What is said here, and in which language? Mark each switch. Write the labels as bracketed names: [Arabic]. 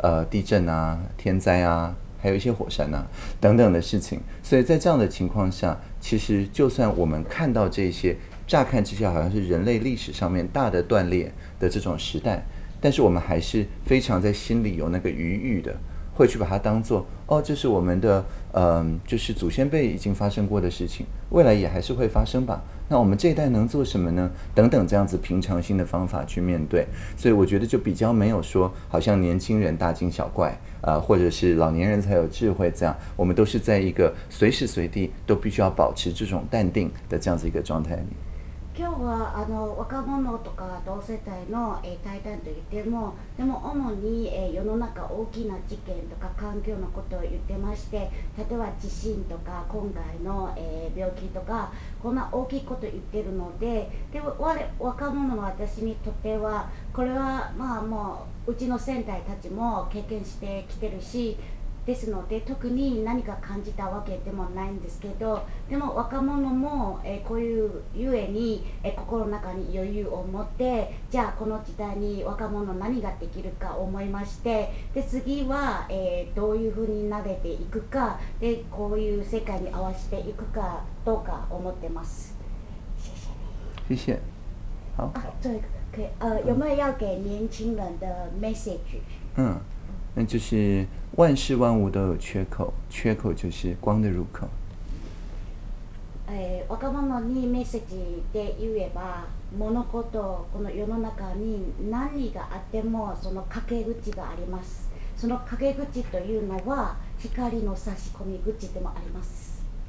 [Chinese] 地震啊、天灾啊，还有一些火山啊等等的事情，所以在这样的情况下，其实就算我们看到这些乍看之下好像是人类历史上面大的断裂的这种时代，但是我们还是非常在心里有那个余裕的，会去把它当作哦，这是我们的就是祖先辈已经发生过的事情，未来也还是会发生吧，那我们这一代能做什么呢，等等，这样子平常心的方法去面对。所以我觉得就比较没有说好像年轻人大惊小怪或者是老年人才有智慧，这样我们都是在一个随时随地都必须要保持这种淡定的这样子一个状态里。 [Japanese] 今日はあの若者とか同世代の対談といっても、でも主に世の中大きな事件とか環境のことを言ってまして、例えば地震とか今回の病気とか、こんな大きいこと言ってるので、で若者の私にとってはこれはまあもううちの先代たちも経験してきてるしですので、特に何か感じたわけでもないんですけど、でも若者もこういうゆえに心の中に余裕を持って、じゃあこの時代に若者何ができるか思いまして、で次はどういうふうに慣れていくか、でこういう世界に合わせていくかどうか思ってます。 [Chinese] 谢谢。好，啊，最后可以有没有要给年轻人的 message？嗯，那就是万事万物都有缺口，缺口就是光的入口。 [Japanese] 若者にメッセージで言えば、物事この世の中に何があってもその陰口があります。その陰口というのは光の差し込み口でもあります。